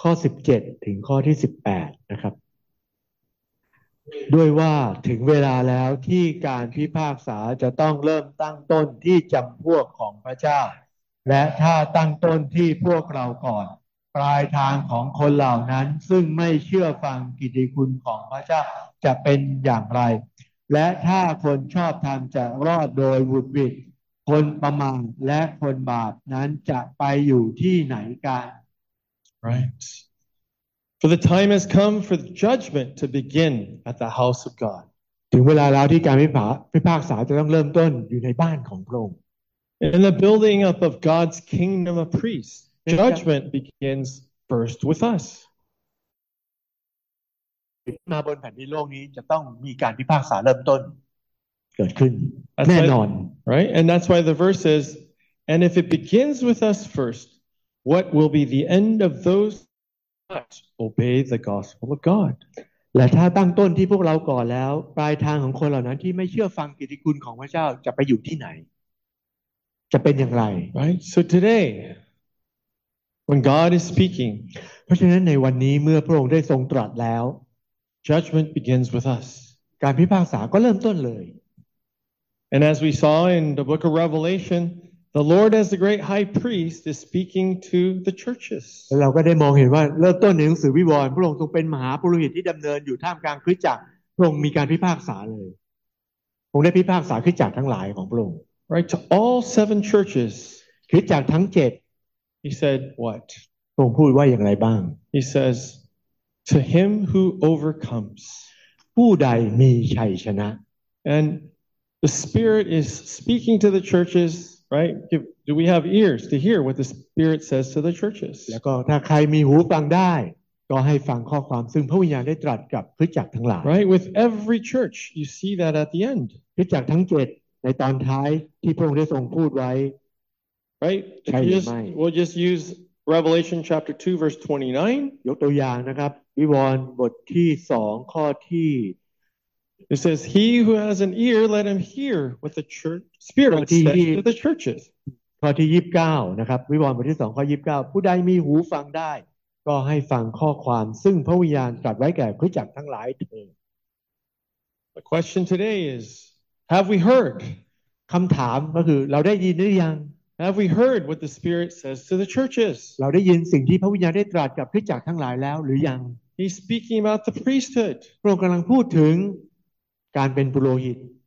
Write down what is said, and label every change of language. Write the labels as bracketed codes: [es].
[th] ข้อ17ถึงข้อที่18นะครับด้วยว่าถึงเวลาแล้วที่การพิพากษาจะต้องเริ่มตั้งต้นที่จำพวกของพระเจ้าและถ้าตั้งต้นที่พวกเราก่อนปลายทางของคนเหล่านั้นซึ่งไม่เชื่อฟังกิตติคุณของพระเจ้าจะเป็นอย่างไรและถ้าคนชอบธรรมจะรอดโดยวุฒิวิทย์คนประมาทและคนบาปนั้นจะไปอยู่ที่ไหนกัน [en] Right For the time has come for the judgment to begin at the house of God [th] ถึงเวลาแล้วที่การพิพากษาจะต้องเริ่มต้นอยู่ในบ้านของพระองค์ [en] In the building up of God's kingdom of priests, judgment begins first with us. [th] มาบนแผ่นดินโลกนี้จะต้องมีการพิพากษาเริ่มต้นเกิดขึ้นแน่นอน [en] right? And that's why the verse is, and if it begins with us first, what will be the end of those who obey the gospel of God? [th] และถ้าตั้งต้นที่พวกเราก่อนแล้วปลายทางของคนเหล่านั้นที่ไม่เชื่อฟังกิตติคุณของพระเจ้าจะไปอยู่ที่ไหนจะเป็นอย่างไร [en] right so today when God is speaking [th] เพราะฉะนั้นในวันนี้เมื่อพระองค์ได้ทรงตรัสแล้ว [en] judgment begins with us [th] การพิพากษาก็เริ่มต้นเลย [en] and as we saw in the book of Revelation the Lord as the great high priest is speaking to the churches [th] เราก็ได้มองเห็นว่าเริ่มต้นในหนังสือวิวรณ์พระองค์ทรงเป็นมหาปุโรหิตที่ดำเนินอยู่ท่ามกลางคริสตจักรพระองค์มีการพิพากษาเลยพระองค์ได้พิพากษาคริสตจักรทั้งหลายของพระองค์ [en] Right to all seven churches. [th] คือจากทั้ง7 [en] He said what? [th] พระองค์พูดว่าอย่างไรบ้าง [en] He says to him who overcomes. [th] ผู้ใดมีชัยชนะ [en] And the Spirit is speaking to the churches, right? Do we have ears to hear what the Spirit says to the churches? [th] แล้วก็ถ้าใครมีหูฟังได้ก็ให้ฟังข้อความซึ่งพระวิญญาณได้ตรัสกับคริสตจักรทั้งหลาย [en] Right with every church you see that at the end. [th] คือจากทั้ง7ในตอนท้ายที่พระองค์ได้ทรงพูดไว้ [en] right we'll just use revelation chapter 2 verse 29 [th] ยกตัวอย่างนะครับวิวรณ์บทที่2ข้อที่ [en] it says he who has an ear let him hear what the church spirit says to the churches [th] ข้อที่29นะครับวิวรณ์บทที่2ข้อ29ผู้ใดมีหูฟังได้ก็ให้ฟังข้อความซึ่งพระวิญญาณตรัสไว้แก่คริสตจักรทั้งหลายเถิด [en] the question today isHave we heard? [th] คำถามก็คือเราได้ยินหรือยัง [en] Have we heard what the Spirit says to the churches? [th] เราได้ยินสิ่งที่พระวิญญาณได้ตรัสกับคริสตจักรทั้งหลายแล้วหรือยัง [en] He's speaking about the priesthood. [th] พระองค์กำลังพูดถึงการเป็นปุโรหิต